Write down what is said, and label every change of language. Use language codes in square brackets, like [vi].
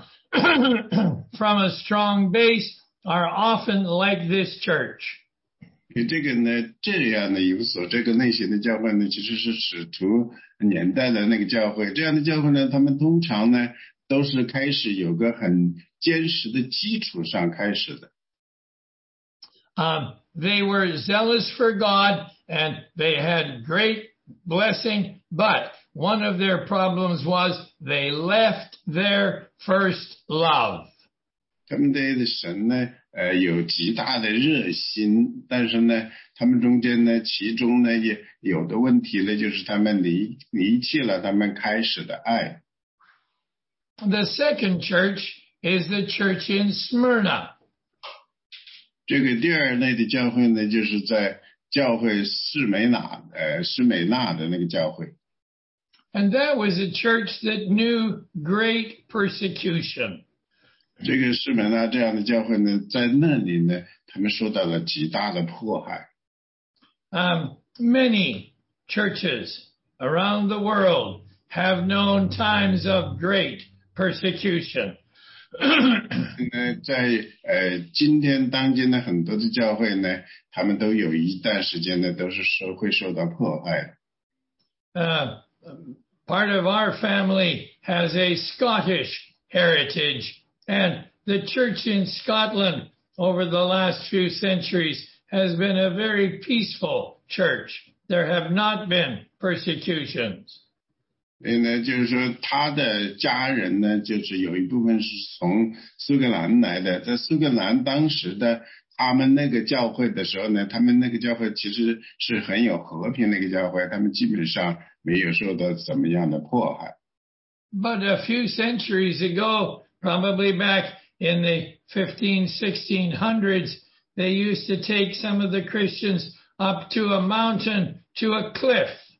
[en] from a strong base are often like this church. [zh] 这个呢，这样的有所，这个类型的教会呢，其实是使徒年代的那个教会。这样的教会呢，他们通常呢，都是开始有个很坚实的基础上开始的。 [en] They were zealous for God and they had great blessing, but one of their problems was they left their first love. [zh] 他们对神呢，有极大的热心，但是呢，他们中间呢，其中呢，也有的问题呢，就是他们离弃了他们开始的爱。 [en] The second church is the church in Smyrna. [zh] 这个第二类的教会呢，就是在教会士美纳的那个教会。 [en] And that was a church that knew great persecution. [zh] 这个士美纳这样的教会呢，在那里呢，他们受到了极大的迫害。 [en] Many churches around the world have known times of great persecution. [zh] 在今天当今的很多的教会呢，他们都有一段时间呢，都是会受到迫害。 [en] Part of our family has a Scottish heritage, and the church in Scotland over the last few centuries has been a very peaceful church. There have not been persecutions. [zh] 所以呢，就是说他的家人呢，就是有一部分是从苏格兰来的，在苏格兰当时的他们那个教会的时候呢，他们那个教会其实是很有和平的一个教会，他们基本上没有受到怎么样的迫害。 [en] But a few centuries ago, probably back in the 1500s, 1600s, they used to take some of the Christians up to a mountain, to a cliff.